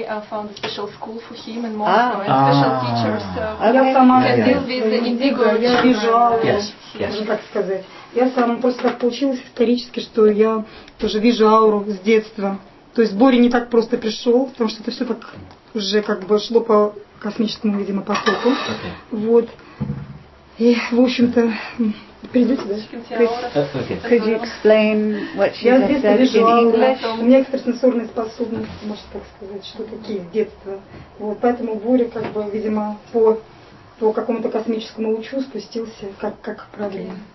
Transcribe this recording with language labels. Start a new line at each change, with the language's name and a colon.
English: Found a special school for him and more special teachers.
Russian: Я сама просто так получилось исторически, что я тоже вижу ауру с детства. То есть Боря не так просто пришел, потому что это все так уже как бы шло по космическому, видимо, потоку. Вот. И, в общем-то, придете, да?
English: Could you explain what she has said in English?
Russian: У меня экстрасенсорные способности, можно так сказать, что такие с детства. Вот, поэтому Боря, как бы, видимо, по какому-то космическому лучу спустился, как правильно.